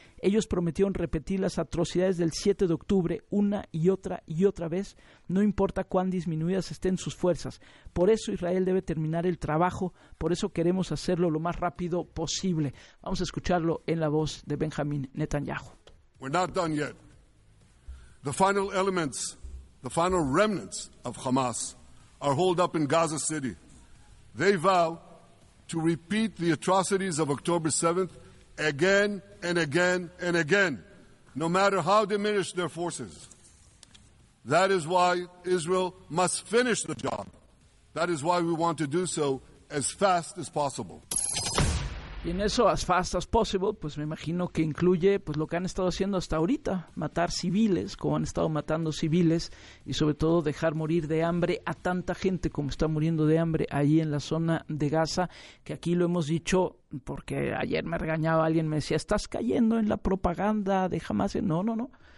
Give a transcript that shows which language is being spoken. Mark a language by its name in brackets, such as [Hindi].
[Spanish] Ellos prometieron repetir las atrocidades del 7 de octubre una y otra vez, no importa cuán disminuidas estén sus fuerzas. Por eso Israel debe terminar el trabajo, por eso queremos hacerlo lo más rápido posible. Vamos a escucharlo en la voz de Benjamín Netanyahu. [English] We're not done yet. The final elements, the final remnants of Hamas are holed up in Gaza City. They vow to repeat the atrocities of October 7th again and again and again, no matter how diminished their forces. That is why Israel must finish the job. That is why we want to do so as fast as possible. [Spanish] Y en eso, [English] as fast as possible, [Spanish] pues me imagino que incluye pues lo que han estado haciendo hasta ahorita, matar civiles, como han estado matando civiles, y sobre todo dejar morir de hambre a tanta gente como está muriendo de hambre ahí en la zona de Gaza, que aquí lo hemos dicho, porque ayer me regañaba alguien, me decía, estás cayendo en la propaganda de Hamas. No.